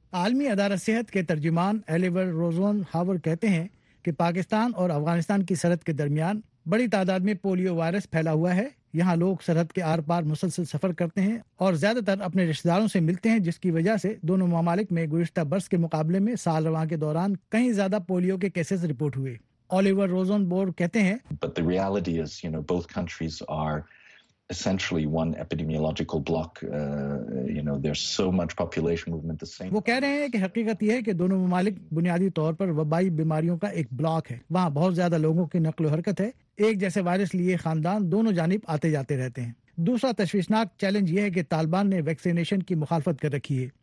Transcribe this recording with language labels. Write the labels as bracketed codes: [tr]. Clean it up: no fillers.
[ur] عالمی ادارہ صحت کے ترجمان ایلیور روزون ہاور کہتے ہیں کہ پاکستان اور افغانستان کی سرحد کے درمیان بڑی تعداد میں پولیو وائرس پھیلا ہوا ہے. یہاں لوگ سرحد کے آر پار مسلسل سفر کرتے ہیں اور زیادہ تر اپنے رشتہ داروں سے ملتے ہیں, جس کی وجہ سے دونوں ممالک میں گزشتہ برس کے مقابلے میں سال رواں کے دوران کہیں زیادہ پولیو کے کیسز رپورٹ ہوئے. اولیور روزون بورڈ کہتے ہیں [en] But the reality is, you know, both countries are essentially one epidemiological block. There's so much population movement the same. [ur] وہ کہہ رہے ہیں کہ حقیقت یہ ہے کہ دونوں ممالک بنیادی طور پر وبائی بیماریوں کا ایک بلاک ہے. وہاں بہت زیادہ لوگوں کی نقل و حرکت ہے. ایک جیسے وائرس لیے خاندان دونوں جانب آتے جاتے رہتے ہیں. دوسرا تشویشناک چیلنج یہ ہے کہ طالبان نے ویکسینیشن کی مخالفت کر رکھی ہے.